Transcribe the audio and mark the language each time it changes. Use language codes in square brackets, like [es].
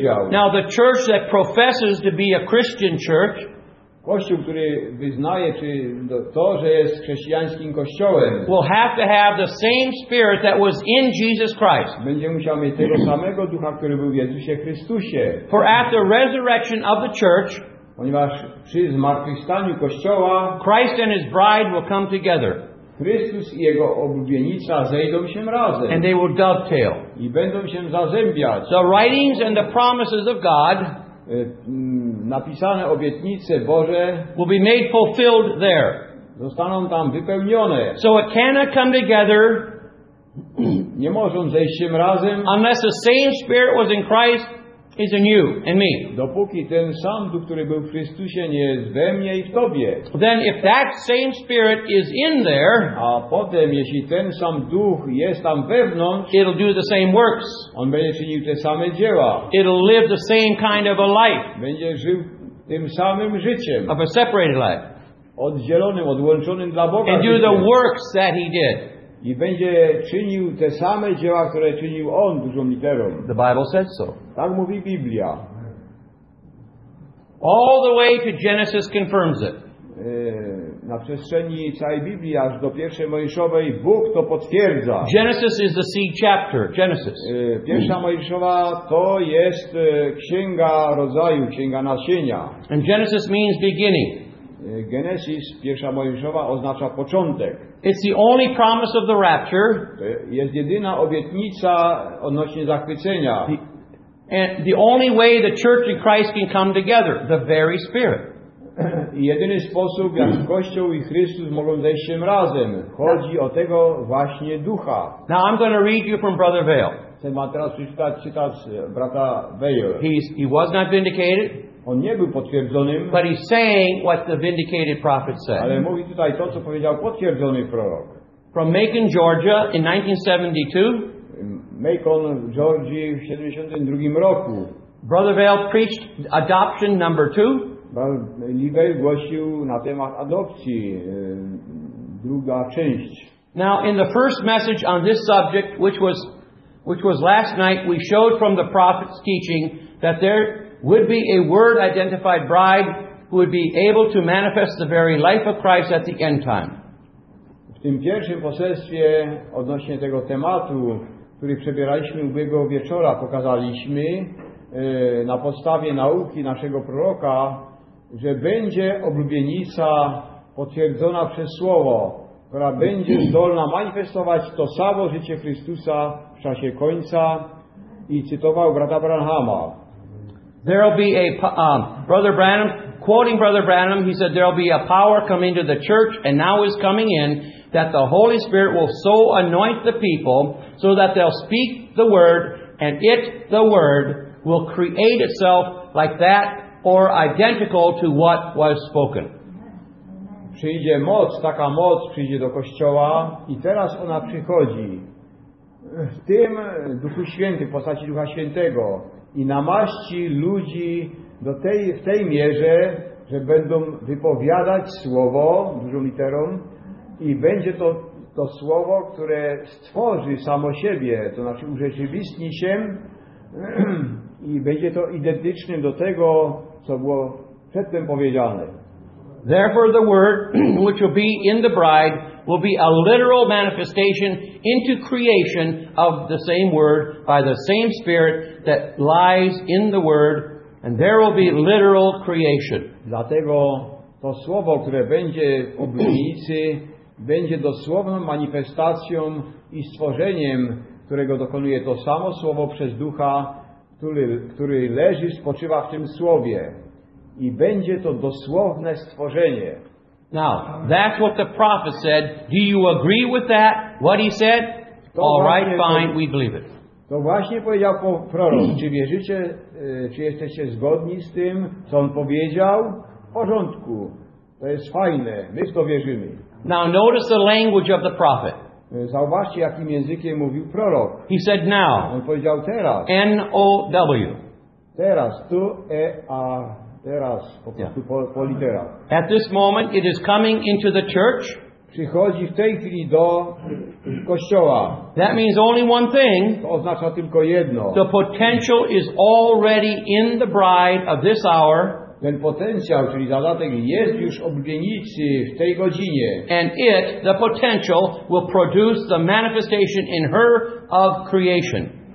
[en] Now the church that professes to be a Christian church, [pl] kościół, który wyznaje, czy to, że jest chrześcijańskim kościołem, [en] will have to have the same spirit that was in Jesus Christ. [pl] Będzie musiał mieć tego samego ducha, który był w Jezusie Chrystusie. [en] For after resurrection of the church, [pl] ponieważ przy zmartwychwstaniu kościoła, [en] Christ and his bride will come together. [pl] Chrystus i jego oblubienica zejdą się razem. [en] And they will dovetail. [pl] I będą się zazębiać. [en] The writings and the promises of God, [pl] napisane obietnice Boże, [en] will be made fulfilled there. [pl] Zostaną tam wypełnione. [en] So it cannot come together. [pl] Nie mogą zejść się razem. [en] Unless the same spirit was in Christ is in you and me. [pl] Dopóki ten sam duch, który był w Chrystusie, nie jest we mnie i w tobie. [en] Then if that same spirit is in there, [pl] a potem jeśli ten sam duch jest tam wewnątrz, [en] it'll do the same works. [pl] On będzie czynił te same dzieła. [en] It'll live the same kind of a life. [pl] Będzie żył tym samym życiem. [en] Of a separated life. [pl] Oddzielonym, odłączonym dla Boga. [en] And do the works that he did. [pl] I będzie czynił te same dzieła, które czynił on, dużą literą. [en] The Bible says so. [pl] Tak mówi Biblia. [en] All the way to Genesis confirms it. [pl] Na przestrzeni całej Biblii, aż do pierwszej Mojżeszowej, Bóg to potwierdza. [en] Genesis is the seed chapter. [pl] Genesis. Pierwsza Mojżeszowa to jest księga rodzaju, księga nasienia. [en] And Genesis means beginning. [pl] Genesis, pierwsza Mojżeszowa, oznacza początek. [en] It's the only promise of the rapture. [pl] Jest jedyna obietnica odnośnie zachwycenia. [en] And the only way the church and Christ can come together, the very Spirit. [pl] I jedyny sposób, jak Kościół i Chrystus mogą zejść się razem, chodzi o tego właśnie ducha. [en] Now I'm going to read you from Brother Vail. [pl] Chcę wam teraz czytać brata Vail. [en] He was not vindicated. [pl] On nie był potwierdzonym. [en] But he's saying what the vindicated prophet said. [pl] Ale mówi tutaj to, co powiedział potwierdzony prorok. [en] From Macon, Georgia, in 1972. [pl] Macon, Georgia, w 72 roku. [en] Brother Vail preached adoption number 2. [pl] Brother Vail głosił na temat adopcji, druga część. [en] Now, in the first message on this subject, which was last night, we showed from the prophet's teaching that there would be a word-identified bride who would be able to manifest the very life of Christ at the end time. [pl] W tym pierwszym poselstwie odnośnie tego tematu, który przebieraliśmy ubiegłego wieczora, pokazaliśmy na podstawie nauki naszego proroka, że będzie oblubienica potwierdzona przez Słowo, która będzie zdolna manifestować to samo życie Chrystusa w czasie końca, i cytował brata Branhama. [en] There will be a Brother Branham, quoting Brother Branham, he said, there will be a power coming to the church, and now is coming in, that the Holy Spirit will so anoint the people so that they'll speak the word, and it, the word, will create itself like that or identical to what was spoken. [pl] Przyjdzie moc, taka moc przyjdzie do kościoła i teraz ona przychodzi. W tym Duchu Świętym, w postaci Ducha Świętego, i namaści ludzi do tej, w tej mierze, że będą wypowiadać słowo dużą literą, i będzie to słowo, które stworzy samo siebie, to znaczy urzeczywistni się, i będzie to identyczne do tego, co było przedtem powiedziane. [en] Therefore the word which will be in the bride will be a literal manifestation into creation of the same word by the same spirit that lies in the word, and there will be literal creation. [pl] Dlatego to słowo, które będzie w oblubienicy, będzie dosłowną manifestacją i stworzeniem, którego dokonuje to samo słowo przez ducha, który leży, spoczywa w tym słowie. I będzie to dosłowne stworzenie. [en] Now, that's what the prophet said. Do you agree with that? What he said? All right, fine, we believe it. [pl] To właśnie powiedział prorok. Czy wierzycie, czy jesteście zgodni z tym, co on powiedział? W porządku. To jest fajne. My w to wierzymy. [en] Now notice the language of the prophet. [pl] Zauważcie, jakim językiem mówił prorok. [en] He said now. [pl] On powiedział teraz. [en] N-O-W. [pl] Teraz. Tu E-A. Teraz. Po prostu po literach. [en] At this moment it is coming into the church. [pl] Przychodzi w tej chwili do kościoła. [en] That means only one thing. [pl] To oznacza tylko jedno. [en] The potential is already in the bride of this hour. [pl] Ten potencjał, czyli zadatek, jest już oblubienicy w tej godzinie. [en] And it, the potential, will produce the manifestation in her of creation.